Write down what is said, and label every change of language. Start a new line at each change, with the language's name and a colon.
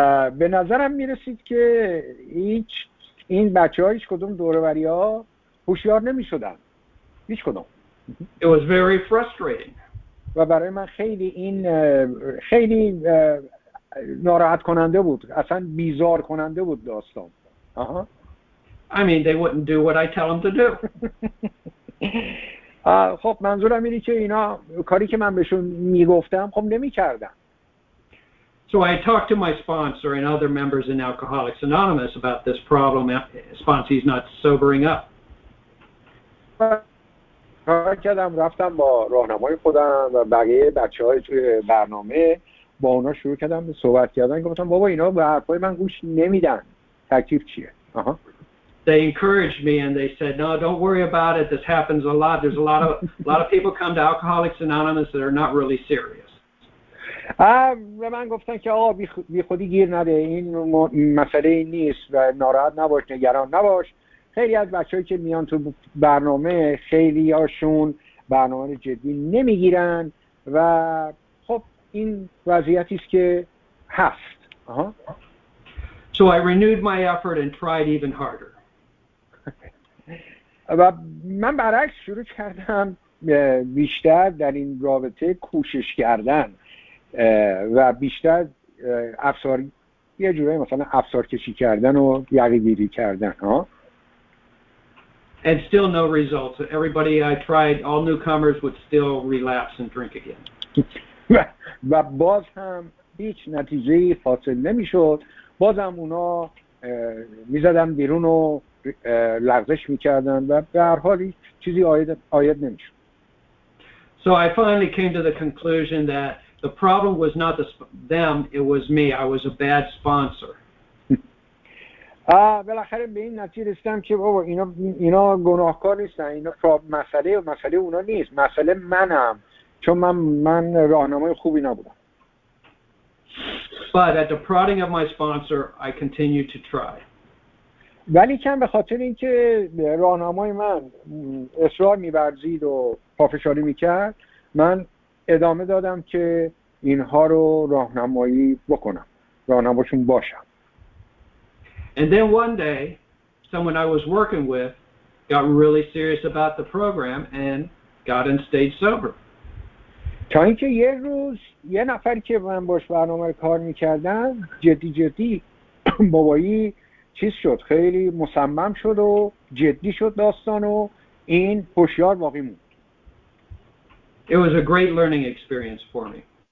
Persian: به نظرم می رسید که هیچ این بچه‌ها هیچ کدوم دوروری ها هوشیار نمی شدن. هیچ کدوم.
English: It was very frustrating.
Persian: و برای من خیلی این خیلی ناراحت کننده بود. اصلا بیزار کننده بود داستان.
English: I mean they wouldn't do what I tell them to do.
Persian: خب منظورم اینه که اینا کاری که من بهشون میگفتم خب نمی‌کردن.
English: So I talked to my sponsor and other members in Alcoholics Anonymous about this problem, sponsees not sobering up.
Persian: کار کردم، رفتم با راهنمای خودم و بقیه بچه‌های توی برنامه با اونا شروع کردم صحبت کردن، گفتم بابا اینا به حرفای من گوش نمیدن، تکلیف چیه؟
English: They encouraged me and they said, "No, don't worry about it. This happens a lot. There's a lot of people come to Alcoholics Anonymous that are not really serious."
Persian: به من گفتن که آقا بی خودی گیر نده، این مسئله نیست و ناراحت نباش، نگران نباش. خیلی از بچه‌ای که میان تو برنامه، خیلی هاشون برنامه رو جدی نمیگیرن و خب این وضعیتی است که هست.
English: So I renewed my effort and tried even harder.
Persian: و من برعکس شروع کردم بیشتر در این رابطه کوشش کردن و بیشتر افسار یه جوری مثلا افسار کشی کردن و یقه‌گیری کردن.
English: And still no results. Everybody I tried, all newcomers would still relapse and drink again.
Persian: و باز هم هیچ نتیجه‌ای حاصل نمی‌شد. باز هم اونا می‌زدن بیرون و لغزش می‌کردن و به هر حال چیزی آید نمی‌شد.
English: So I finally came to the conclusion that the problem was not them, it was me. I was a bad sponsor.
Persian: بالاخره به این نتیجه رسیدم که بابا اینا گناهکار نیستن، اینا مسئله اونا نیست، مسئله منم، چون من راهنمای خوبی نبودم.
English: But at the prodding of my sponsor, I continued to try.
Persian: ولی کم به خاطر اینکه راهنمای من اصرار می‌ورزید و پافشاری می‌کرد، من ادامه دادم که اینها رو راهنمایی بکنم، راهنماشون باشم.
English: And then one day, someone I was working with got really serious about the program and got and stayed sober.
Persian: تا اینکه یه روز یه نفری که من باش برنامه کار می‌کردم جدی جدی بابایی چیز شد، خیلی مصمم شد و جدی شد داستان و این هوشیار باقی موند.
English: It was a great learning experience for me.